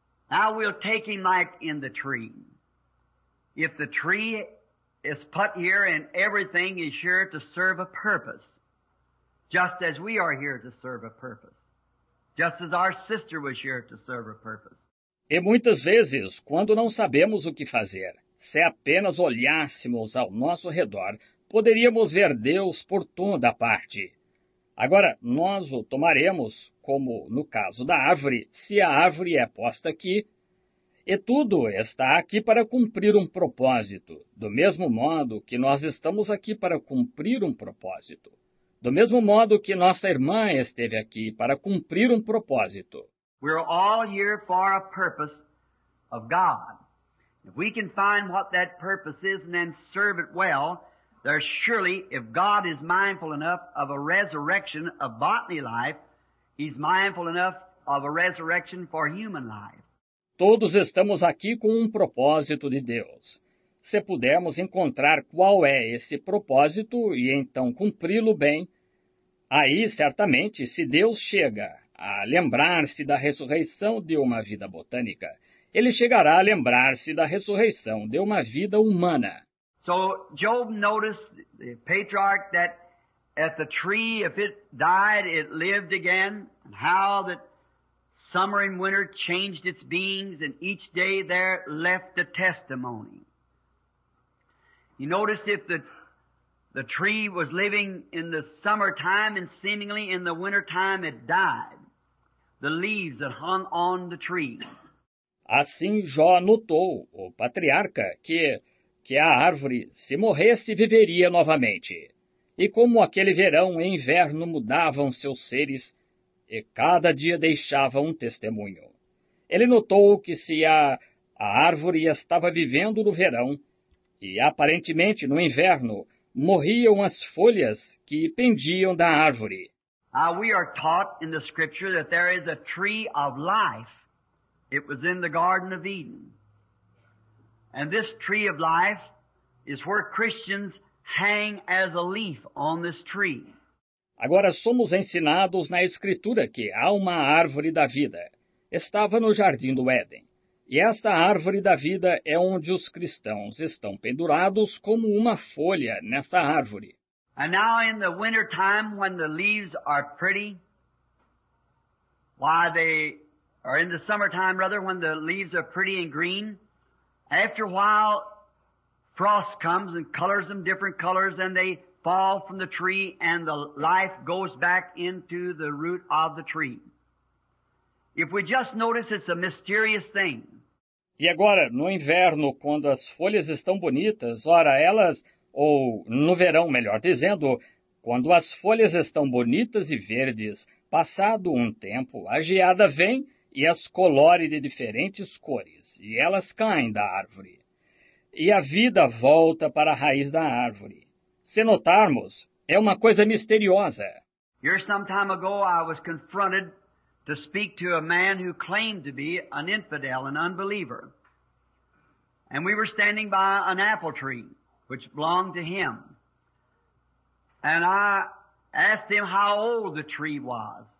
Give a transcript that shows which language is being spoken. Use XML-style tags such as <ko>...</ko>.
<pt>Agora, vamos levar Ele como em um</pt> <en>tree. If the tree is put here and everything is here to serve a purpose, just as we are here to serve a purpose, just as our sister was here to serve a purpose.</en> <pt>E muitas vezes, quando não sabemos o que fazer, se apenas olhássemos ao nosso redor, poderíamos ver Deus por toda parte. Agora, nós o tomaremos, como no caso da árvore, se a árvore é posta aqui, e tudo está aqui para cumprir um propósito, do mesmo modo que nós estamos aqui para cumprir um propósito, do mesmo modo que nossa irmã esteve aqui para cumprir um propósito.</pt> <en>We're all here for a purpose of God. If we can find what that purpose is and then serve it well, there surely, if God is mindful enough of a resurrection of botany life, he's mindful enough of a resurrection for human life.</en> <pt>Todos estamos aqui com um propósito de Deus. Se pudermos encontrar qual é esse propósito e então cumpri-lo bem, aí, certamente, se Deus chega a lembrar-se da ressurreição de uma vida botânica, ele chegará a lembrar-se da ressurreição de uma vida humana.</pt> <en>So, Job noticed the patriarch that at the tree, if it died, it lived again, and how that summer and winter changed its beings, and each day there left a testimony. He noticed if the tree was living in the summertime and seemingly in the wintertime it died, the leaves that hung on the tree.</en> <pt>Assim Jó notou, o patriarca, que a árvore, se morresse, viveria novamente. E como aquele verão e inverno mudavam seus seres, e cada dia deixava um testemunho. Ele notou que se a árvore estava vivendo no verão, e aparentemente no inverno, morriam as folhas que pendiam da árvore.</pt> <en>We are taught in the scripture that there is a tree of life. It was in the Garden of Eden. And this tree of life is where Christians hang as a leaf on this tree.</en> <pt>Agora, somos ensinados na Escritura que há uma árvore da vida. Estava no Jardim do Éden. E esta árvore da vida é onde os cristãos estão pendurados como uma folha nessa árvore.</pt> <en>And now in the winter time when the leaves are pretty, in the summertime rather, when the leaves are pretty and green, after a while frost comes and colors them different colors, and they fall from the tree, and the life goes back into the root of the tree. If we just notice, it's a mysterious thing.</en> <pt>E agora, no inverno, quando as folhas estão bonitas, ora elas, ou no verão, melhor dizendo, quando as folhas estão bonitas e verdes, passado um tempo, a geada vem e as colore de diferentes cores, e elas caem da árvore. E a vida volta para a raiz da árvore. Se notarmos, é uma coisa misteriosa.</pt> <en>Here some time ago I was confronted to speak to a man who claimed to be an infidel, an unbeliever. And we were standing by an apple tree, which belonged to him. And I asked him how old the tree was.</en>